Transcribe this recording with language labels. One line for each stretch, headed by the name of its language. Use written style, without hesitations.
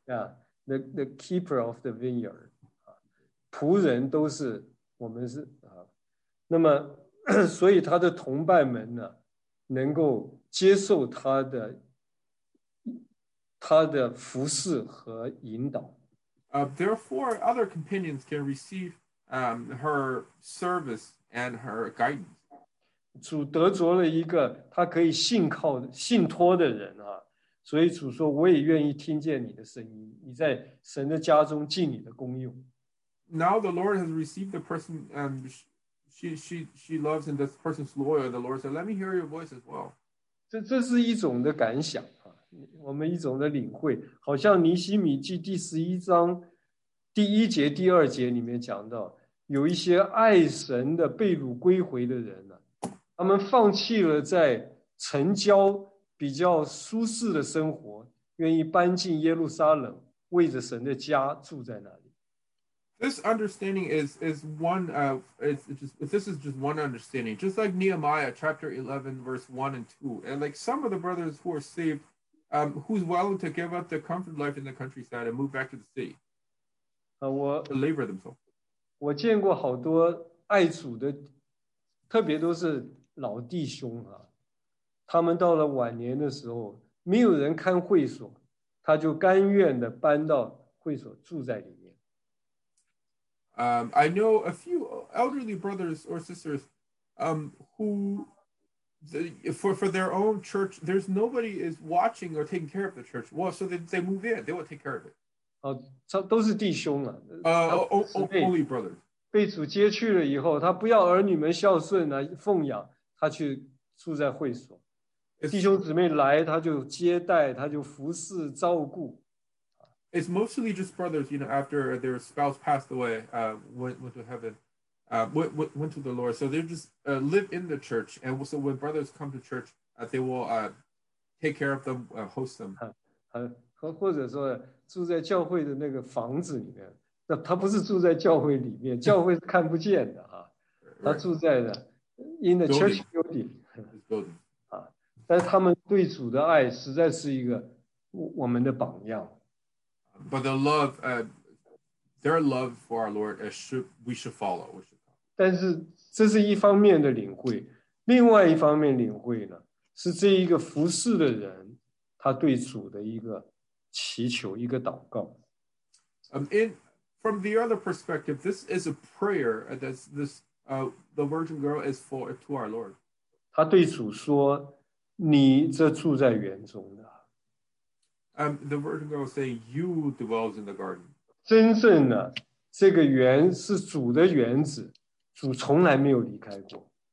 English: Yeah, the keeper of the vineyard.
Chinese: 仆人都是我们是啊，那么所以他的同伴们呢，能够接受他的。他的服侍和引导。
English: Therefore, other companions can receive her service and her guidance.
Chinese: 主得着了一个他可以信靠、信托的人啊，所以主说：“我也愿意听见你的声音，你在神的家中尽你的功用。”
English: Now the Lord has received the person, and she loves, and this person's loyal. The Lord said, "Let me hear your voice as well."
Chinese: 这是一种的感想。我们一种的领会，好像尼希米记第十一章第一节、第二节里面讲到，有一些爱神的被掳归回的人呢，他们放弃了在城郊比较舒适的生活，愿意搬进耶路撒冷，为着神的家住在那里。
English: This understanding is one of it's just this is just one understanding. Just like Nehemiah chapter 11 verse 1 and 2, and like some of the brothers who are saved, who's willing to give up the comfort life in the countryside and move back to the city. To labor themselves.
Chinese: 我见过好多爱主的，特别都是老弟兄啊，他们到了晚年的时候，没有人看会所，他就甘愿的搬到会所住在里面。
English: I know a few elderly brothers or sisters, who, for their own church, there's nobody is watching or taking care of the church. Well, so they move in, they will take care of it.
Chinese: 都是弟兄啊。
English: Only brothers.
Chinese: 被主接去了以后，他不要儿女们孝顺啊，奉养，他去住在会所。弟兄姊妹来，他就接待，他就服侍照顾。
English: It's mostly just brothers, you know, after their spouse passed away, went to heaven, went to the Lord. So they just live in the church. And so when brothers come to church, they will take care of them, host them.
Chinese: 或者说住在教会的那个房子里面，那他不是住在教会里面，教会是看不见的啊，他住在的
English: in the church building. His building.
Chinese: 但是他们对主的爱实在是一个我们的榜样。
English: But the love, their love for our Lord, we should follow.
Chinese: 但是这是一方面的领会，另外一方面领会呢，是这一个服侍的人，他对主的一个祈求，一个祷告。
English: From the other perspective, this is a prayer that the virgin girl is for to our Lord.
Chinese: 他对主说，你这住在园中的。
English: The virgin girl saying, "You dwells in the garden."
Chinese: 真正的这个园是主的园子，主从来没有离开过。